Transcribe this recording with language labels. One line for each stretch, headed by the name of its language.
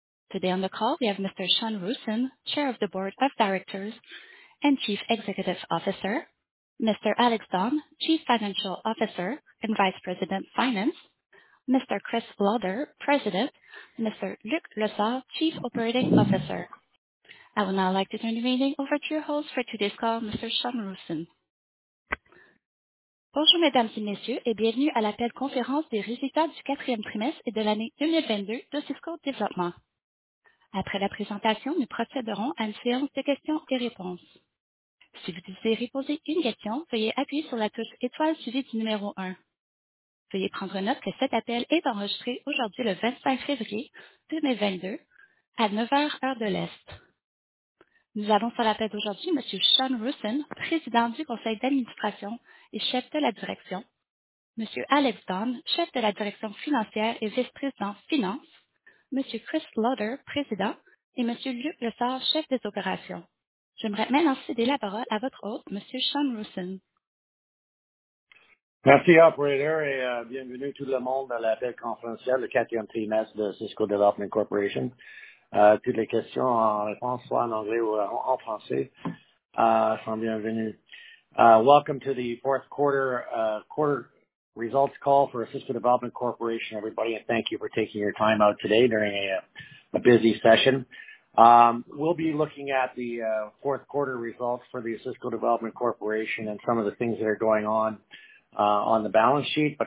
English: Today on the call, we have Mr. Sean Roosen, Chair of the Board of Directors and Chief Executive Officer, Mr. Alex Dunn, Chief Financial Officer and Vice President, Finance, Mr. Chris Lauder, President, Mr. Luc Lessard, Chief Operating Officer. I would now like to turn the meeting over to your host for today's call, Mr. Sean Roosen.
French: Bonjour, mesdames et messieurs, et bienvenue à l'appel conférence des résultats du quatrième trimestre et de l'année 2022 d'Osisko Development. Après la présentation, nous procéderons à une séance de questions et réponses. Si vous désirez poser une question, veuillez appuyer sur la touche étoile suivie du numéro un. Veuillez prendre note que cet appel est enregistré aujourd'hui, le 25 février 2022, à 9:00 heure de l'Est. Nous avons sur l'appel d'aujourd'hui Monsieur Sean Roosen, Président du Conseil d'administration et Chef de la Direction, Monsieur Alex Dunn, Chef de la Direction financière et Vice-président Finance, Monsieur Chris Lauder, Président, et Monsieur Luc Lessard, Chef des Opérations. J'aimerais maintenant céder la parole à votre hôte, Monsieur Sean Roosen. Merci, operator, bienvenue tout le monde à l'appel conférencier, le quatrième trimestre d'Osisko Development Corporation. Toutes les questions en réponse, soit en anglais ou en français, sont bienvenues.
English: Welcome to the fourth quarter results call for Osisko Development Corporation, everybody, and thank you for taking your time out today during a busy session. We'll be looking at the fourth quarter results for the Osisko Development Corporation and some of the things that are going on the balance sheet.